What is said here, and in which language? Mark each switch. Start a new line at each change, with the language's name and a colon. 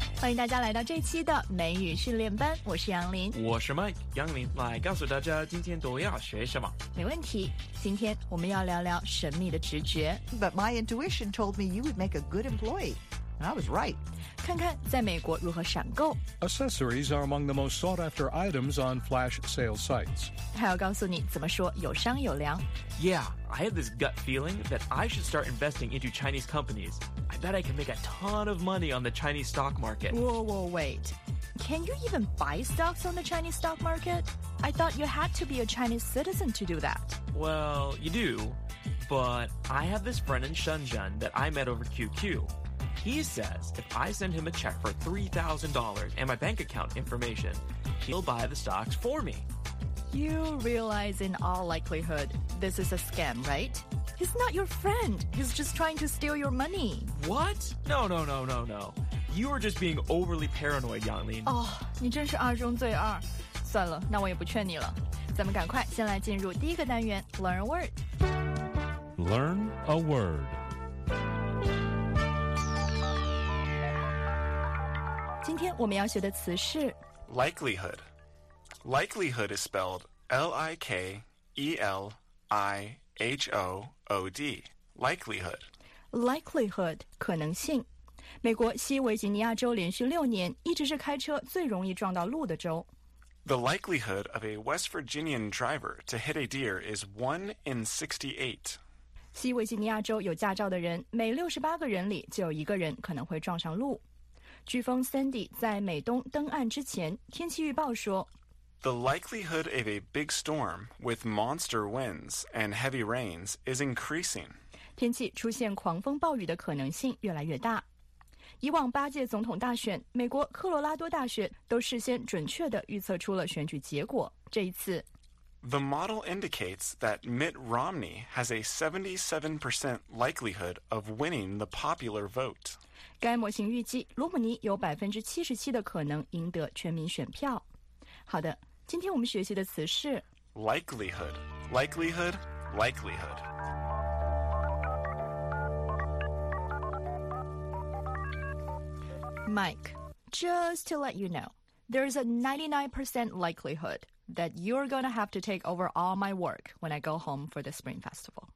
Chinese: 迎大家来到这期的美语训练班，我是杨林，我是 Mike 杨林，来告诉大家今天都要学什么。没问题，今天我们要聊聊神秘的直觉。
English: But my intuition told me you would make a good employee. I was right.
Chinese: 看看在美国如何闪购。
English: Accessories are among the most sought after items on flash sale sites.
Chinese: 还要告诉你怎么说有商有量。
English: Yeah, I have this gut feeling that I should start investing into Chinese companies. I bet I can make a ton of money on the Chinese stock market. Whoa, wait. Can you even buy stocks on the Chinese stock market? I thought you had to be a Chinese citizen to do that. Well, you do. But I have this friend in Shenzhen that I met over QQ. He says if I send him a check for $3,000 and my bank account information, he'll buy the stocks for me. You realize in all likelihood, this is a scam, right? He's not your friend. He's just trying to steal your money. What? No. You are just being overly paranoid, Yanglin.
Chinese: Oh, 你真是二中罪二。算了，那我也不劝你了。咱们赶快先来进入第一个单元
English: Learn a Word. Learn a Word.
Chinese: 今天我们要学的词是
English: likelihood. Likelihood is spelled L-I-K-E-L-I-H-O-O-D. Likelihood.
Chinese: Likelihood, 可能性。美国西维吉尼亚州连续六年一直是开车最容易撞到鹿的州。
English: The likelihood of a West Virginian driver to hit a deer is 1 in 68.
Chinese: 西维吉尼亚州有驾照的人每68个人里就有一个人可能会撞上鹿。飓风 Sandy 在美东登岸之前，天气预报说
English: The likelihood of a big storm with monster winds and heavy rains is increasing.
Chinese: 天气出现狂风暴雨的可能性越来越大。以往八届总统大选，美国科罗拉多大学都事先准确地预测出了选举结果。这一次
English: The model indicates that Mitt Romney has a 77% likelihood of winning the popular vote.
Chinese: 该模型预计罗姆尼有77%的可能赢得全民选票。好的，今天我们学习的词是
English: likelihood, likelihood, likelihood. Mike, just to let you know, there's a 99% likelihood that you're going to have to take over all my work when I go home for the Spring Festival.